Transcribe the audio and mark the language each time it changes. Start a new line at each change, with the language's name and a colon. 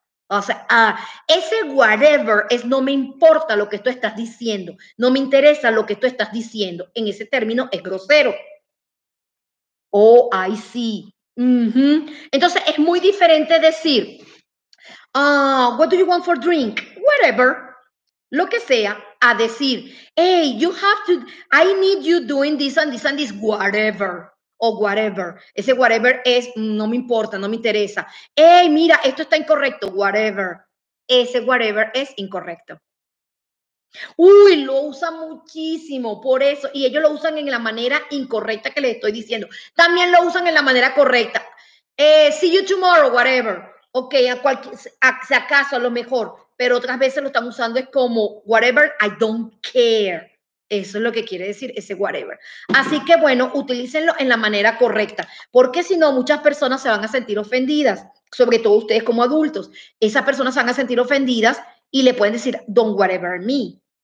Spanish: O sea, ese whatever es no me importa lo que tú estás diciendo, no me interesa lo que tú estás diciendo. En ese término es grosero.
English: Oh, I see.
Spanish: Mm-hmm. Entonces es muy diferente decir,
English: what do you want for drink?
Spanish: Whatever, lo que sea. A decir,
English: hey, you have to, I need you doing this and this and this, whatever, o whatever.
Spanish: Ese whatever es, no me importa, no me interesa. Hey, mira, esto está incorrecto, whatever. Ese whatever es incorrecto. Uy, lo usan muchísimo, por eso, y ellos lo usan en la manera incorrecta que les estoy diciendo. También lo usan en la manera correcta.
English: See you tomorrow, whatever.
Spanish: Ok, si acaso, a lo mejor. Pero otras veces lo están usando es como
English: whatever, I don't care.
Spanish: Eso es lo que quiere decir ese whatever. Así que bueno, utilícenlo en la manera correcta, porque si no, muchas personas se van a sentir ofendidas, sobre todo ustedes como adultos. Esas personas se van a sentir ofendidas y le pueden decir
English: don't whatever me.